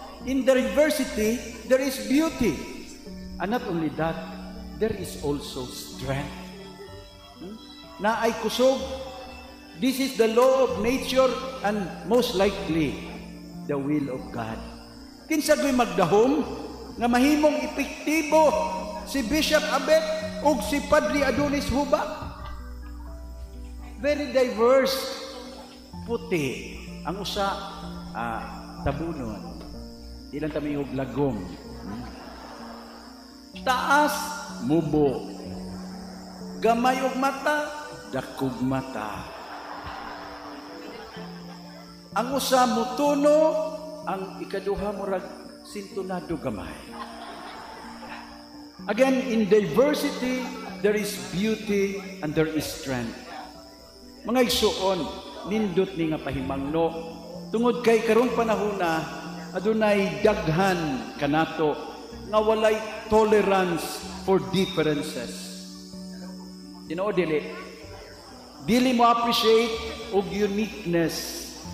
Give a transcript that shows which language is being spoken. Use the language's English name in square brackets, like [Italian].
[English] In the diversity, there is beauty. And not only that, there is also strength. Hmm? [Cebuano] Na ay kusog, [English] this is the law of nature and most likely, the will of God. [Cebuano] Kinsa gyud magdahom nga mahimong epektibo si Bishop Abet ug si Padre Adonis Huba? [English] Very diverse. [Cebuano] Puti ang usa, tabunon, ilang tamihog lagom. Taas, mubo. Gamay og mata, dakog mata. Ang usa mutuno, ang ikaduha murag sintunado gamay. [English] Again, in diversity, there is beauty and there is strength. [Cebuano] Mga igsoon, nindot ni nga pahimangno. Tungod kay karong panahuna, adunay daghan kanato nga walay [English] tolerance for differences. You know, [Cebuano] dili. Dili mo appreciate og uniqueness.